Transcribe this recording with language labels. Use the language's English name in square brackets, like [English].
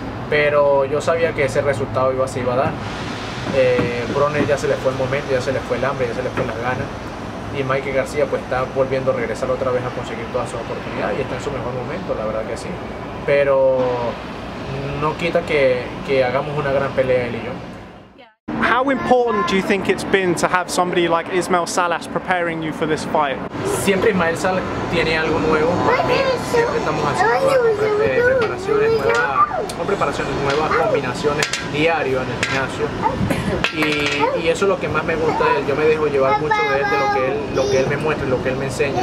[Spanish] Pero yo sabía que ese resultado iba a dar. Broner ya se le fue el momento, ya se le fue el hambre, ya se le fue las ganas. y Mike García pues está volviendo a regresar otra vez a conseguir todas sus oportunidades y está en su mejor momento, la verdad que sí. Pero no quita que hagamos una gran pelea él y yo. [English] How important do you think it's been to have somebody like Ismael Salas preparing you for this fight? [Spanish] Siempre Ismael Salas tiene algo nuevo para mí. Siempre estamos haciendo preparaciones nuevas, combinaciones diario en el gimnasio. Y eso es lo que más me gusta de él. Yo me dejo llevar mucho de él, de lo que él me muestra, lo que él me enseña.